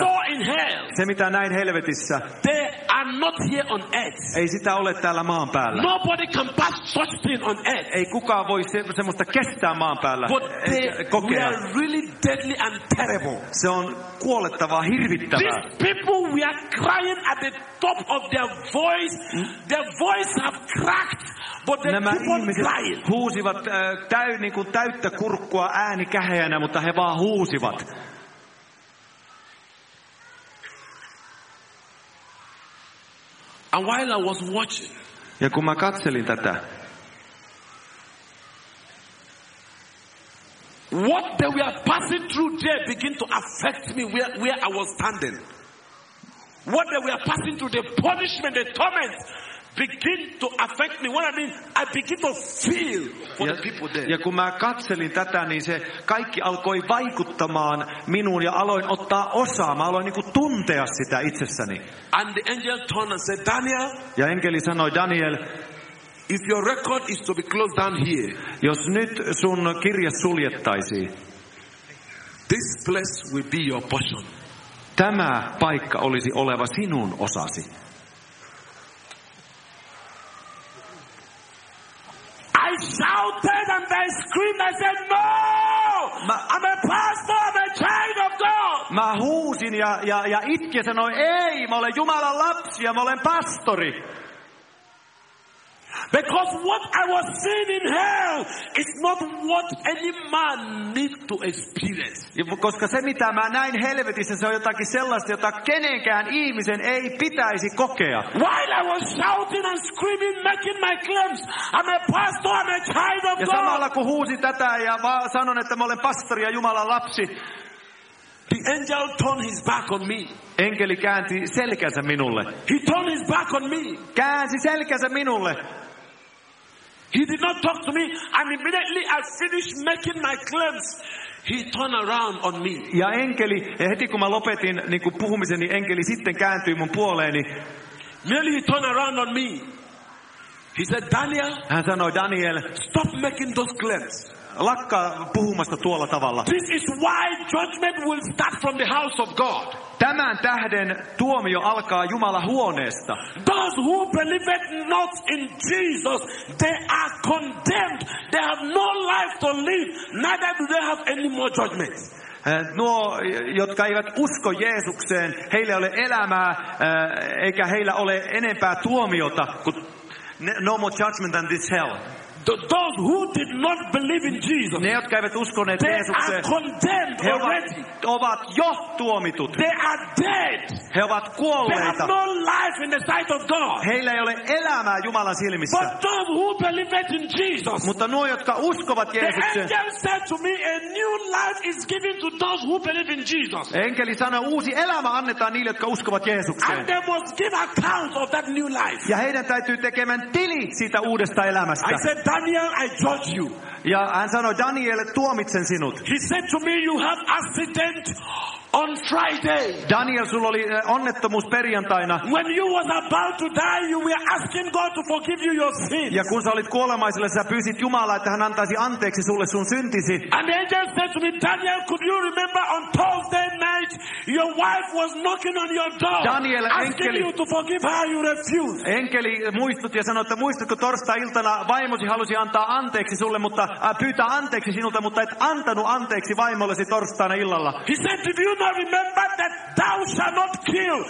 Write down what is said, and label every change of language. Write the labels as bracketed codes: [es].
[en] I saw in hell, [fi] se mitä näin helvetissä, [en] they are not here on earth. [fi] Ei sitä ole täällä maan päällä. [en] Nobody can pass such thing on earth. [fi] Ei kukaan voi semmoista kestää maan päällä. [en] But they [fi] kokea. [en] Were really deadly and terrible. [fi] Se on kuolettavaa, hirvittävää. [en] These people were crying at the top of their voice. Their voice have cracked. But they [fi] nämä ihmiset huusivat täyttä kurkkua ääni käheänä, mutta he vaan huusivat. [en] And while I was watching, [fi] ja kun mä katselin tätä, [en] what they were passing through there begin to affect me where I was standing. What they were passing through, the punishment, the torment, begin to affect me. What I mean, I begin to feel for the people there. [fi] Ja kun mä katselin tätä, niin se kaikki alkoi vaikuttamaan minuun ja aloin ottaa osaa. Mä aloin niinku tuntea sitä itsessäni. [en] And the angel turned and said, Daniel. [fi] Ja enkeli sanoi, Daniel, [en] if your record is to be closed down here, [fi] jos nyt sun kirje suljettaisiin, [en] this place will be your portion. [fi] Tämä paikka olisi oleva sinun osasi. [en] I shouted and I screamed. I said, "No! I'm a pastor. I'm a child of God." [fi] Mä huusin ja itkin, sanoin, "Ei, mä olen Jumalan lapsi ja mä olen pastori." [en] Because what I was seeing in hell is not what any man needs to experience. [fi] Koska se mitä mä näin helvetissä, se on jotakin sellaista, jota kenenkään ihmisen ei pitäisi kokea. [en] While I was shouting and screaming, making my claims, I'm a pastor, I'm a child of God. [fi] Ja samalla kun huusin tätä ja sanon, että mä olen pastori ja Jumalan lapsi, [en] the angel turned his back on me. [fi] Enkeli käänsi selkänsä minulle. [en] He turned his back on me. [fi] Käänsi selkänsä minulle. [en] He did not talk to me, and immediately I finished making my claims, he turned around on me. [fi] Ja enkeli, heti kun mä lopetin niinku puhumisen, niin enkeli sitten kääntyi mun puoleeni. [en] Merely he turned around on me. He said, Daniel. [fi] Hän sanoi, Daniel, [en] stop making those claims. [fi] Lakkaa puhumasta tuolla tavalla. [en] This is why judgment will start from the house of God. [fi] Tämän tähden tuomio alkaa Jumalan huoneesta. [en] Those who believe not in Jesus, they are condemned. They have no life to live. Neither do they have any more judgment. [fi] Nuo, jotka eivät usko Jeesukseen, heillä ei ole elämää, eikä heillä ole enempää tuomiota kuin [en] no more judgment than this hell. Those who did not believe in Jesus, [fi] ne, jotka eivät uskoneet Jeesukseen, [en] they are condemned already. [fi] He ovat jo tuomitut. [en] They are dead. [fi] He ovat kuolleita. [en] They have no life in the sight of God. [fi] Heillä ei ole elämää Jumalan silmissä. [en] But those who believe in Jesus, [fi] mutta nuo, jotka uskovat Jeesukseen, [en] the angel said to me, a new life is given to those who believe in Jesus. [fi] Enkeli sanoi, uusi elämä annetaan niille, jotka uskovat Jeesukseen. [en] And they must give account of that new life. [fi] Ja heidän täytyy tekemään tili siitä uudesta elämästä. [en] I said, Daniel, I judge you. [fi] Ja hän sanoi, Daniel, tuomitsen sinut. [en] He said to me, you have accident on Friday. [fi] Daniel, sulla oli onnettomuus perjantaina. [en] When you was about to die, you were asking God to forgive you your sins. [fi] Ja kun sä olit kuolemaisille, sä pyysit Jumalaa, että hän antaisi anteeksi sulle sun syntisi. [en] And the angel said to me, Daniel, could you remember on Thursday night your wife was knocking on your door, Daniel, asking [fi] enkeli, [en] you to forgive her, you refused. [fi] Enkeli muistutti ja sanoi, että muistatko torstai-iltana vaimosi halusi antaa anteeksi sulle, mutta pyytää anteeksi sinulta, mutta et antanut anteeksi vaimollesi torstaina illalla. [en] He said, did you not remember that thou shalt not kill?